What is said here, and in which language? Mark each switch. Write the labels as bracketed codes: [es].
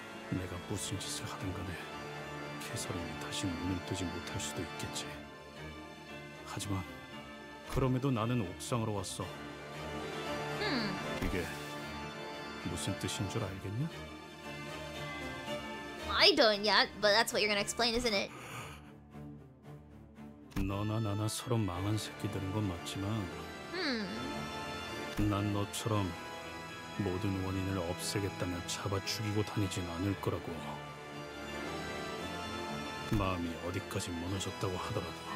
[ko] 내가 무슨 짓을 하든 간에 캐서린이 다시 눈을 뜨지 못할 수도 있겠지. 하지만 그럼에도 나는 옥상으로 왔어. 이게 무슨 뜻인 줄 알겠냐? [en] I don't yet, but that's what you're gonna explain, isn't it? [ko] 너나 나나 서로 망한 새끼들인 건 맞지만 난 너처럼 모든 원인을 없애겠다면 잡아 죽이고 다니진 않을 거라고. 마음이 어디까지 무너졌다고 하더라도.